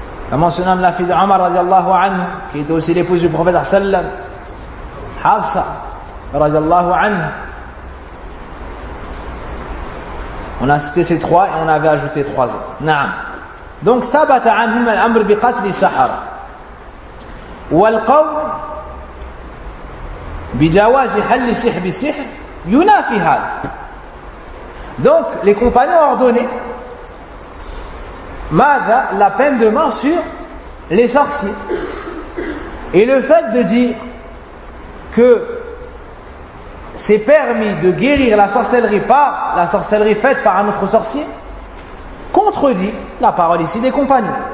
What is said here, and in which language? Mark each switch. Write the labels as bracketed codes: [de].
[fr] La mentionnant la fille d'Omar, radiallahu anhu, qui est aussi l'épouse du prophète, sallam. Hafsa, radiallahu anhu. On a cité ces trois et on avait ajouté trois autres. [ar] Naam. Donc, Thabata anhum al-amr bi qatli sahara. والقول بجواز حل السحر بالسحر ينافي هذا. [fr] Donc les compagnons ont ordonné [ar] ماذا [fr] la peine de mort sur les sorciers. Et le fait de dire que c'est permis de guérir la sorcellerie par la sorcellerie faite par un autre sorcier contredit la parole ici des compagnons.